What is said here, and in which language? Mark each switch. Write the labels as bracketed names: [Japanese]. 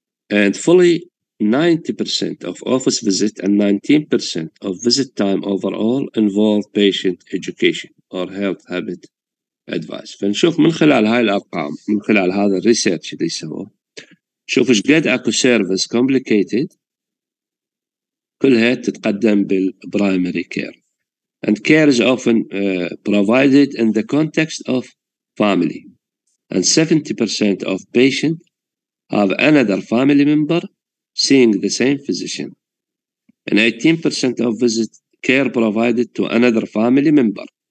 [English] And fully 90% of office visit and 19% of visit time overall involve patient education or health habit advice. [Arabic] فنشوف من خلال هاي الأرقام، من خلال هذا الريسيرش اللي سووه، شوف إيش قد أكو سيرفيس كومبليكيتد كلها تتقدم بالبرايمري كير. [English] And care is often provided in the context of family. And 70% of patients have another family member seeing the same physician. And 18% of visit care provided to another family member.